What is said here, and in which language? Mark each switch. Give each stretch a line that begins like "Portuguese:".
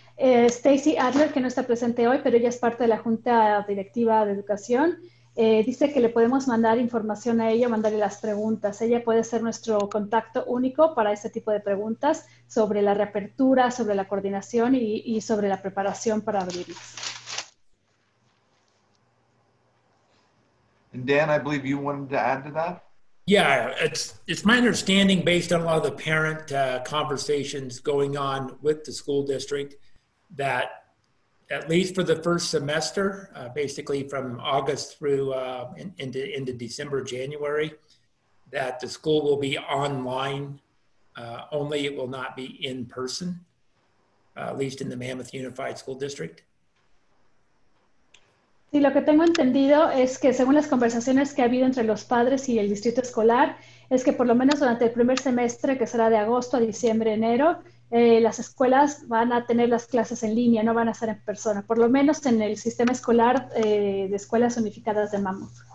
Spanish: Stacy Adler, que no está presente hoy, pero ella es parte de la Junta Directiva de Educación, dice que le podemos mandar información a ella, mandarle las preguntas. Ella puede ser nuestro contacto único para este tipo de preguntas sobre la reapertura, sobre la coordinación y sobre la preparación para abrirlas.
English: And Dan, I believe you wanted to add to that. Yeah, it's my understanding, based on a lot of the parent conversations going on with the school district, that at least for the first semester, basically from August through into December, January, that the school will be online only. It will not be in person, at least in the Mammoth Unified School District.
Spanish: Sí, lo que tengo entendido es que según las conversaciones que ha habido entre los padres y el distrito escolar, es que por lo menos durante el primer semestre, que será de agosto a diciembre, enero, las escuelas van a tener las clases en línea, no van a ser en persona, por lo menos en el sistema escolar de escuelas unificadas de Mammoth.